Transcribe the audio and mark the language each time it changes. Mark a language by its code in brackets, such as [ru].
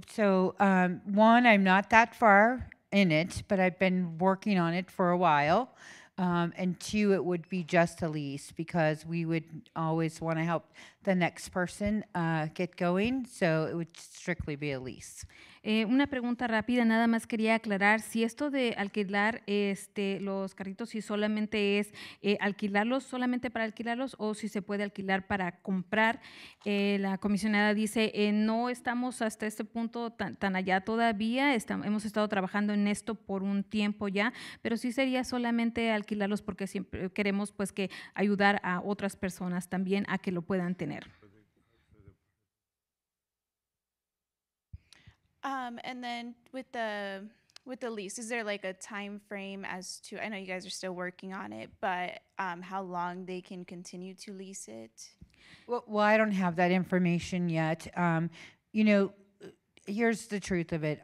[en] So one, I'm not that far in it, but I've been working on it for a while. And two, it would be just a lease because we would always want to help the next person get going. So it would strictly be a lease. [es] Una pregunta rápida, nada más quería aclarar si esto de alquilar los carritos, si solamente es alquilarlos, solamente para alquilarlos, o si se puede alquilar para comprar. La comisionada dice, no estamos hasta este punto tan allá todavía, hemos estado trabajando en esto por un tiempo ya, pero sí sería solamente alquilarlos porque siempre queremos pues que ayudar a otras personas también a que lo puedan tener. [en] And then with the lease, is there like a time frame as to, I know you guys are still working on it, but how long they can continue to lease it? Well, I don't have that information yet. You know, here's the truth of it.